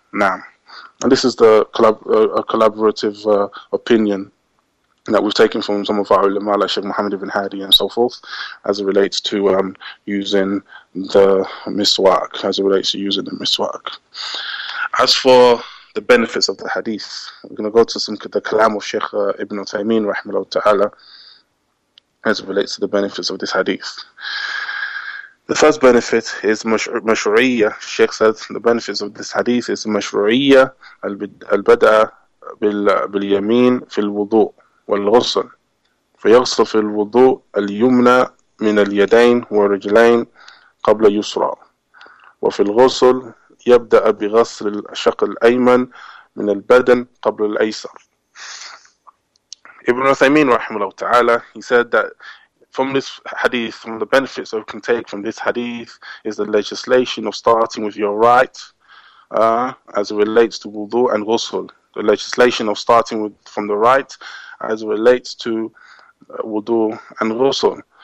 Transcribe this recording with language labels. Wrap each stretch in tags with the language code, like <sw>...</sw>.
<en>Now, and this is the collaborative opinion that we've taken from some of our ulama, like Sheikh Muhammad ibn Hadi and so forth, as it relates to using the miswak, as it relates to using the miswak. As for the benefits of the hadith, we're going to go to the kalam of Sheikh Ibn Taymiyyah, rahimahullah ta'ala, as it relates to the benefits of this hadith. The first benefit is mashru'iyyah. Sheikh said the benefits of this hadith is</en> <ar>mashru'iyyah al-bada'a bil-yameen fil-wudu' والغسل فيغسل في الوضوء اليمنى من اليدين والرجلين قبل يسرى وفي الغسل يبدأ بغسل الشق الأيمن من البدن قبل الأيسر.</ar> <en>Ibn Uthaymeen رحمه الله تعالى, he said that from this hadith, from the benefits that we can take from this hadith, is the legislation of starting with your right as it relates to wudu and ghusl. The legislation of starting with from the right as it relates to wudu and ghusl.</en>